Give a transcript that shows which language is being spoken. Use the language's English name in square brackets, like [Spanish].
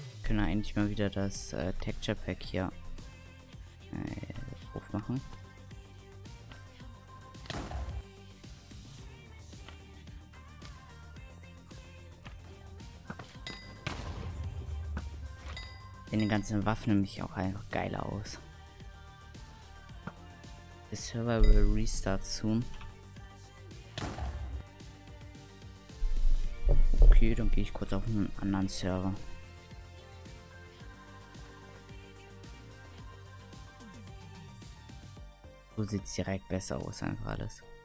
[German] Eigentlich mal wieder das Texture Pack hier aufmachen. Sehen die ganzen Waffen nämlich auch einfach geiler aus. [English] The Server will restart soon. [German] Okay, dann gehe ich kurz auf einen anderen Server. So sieht es direkt besser aus, einfach alles.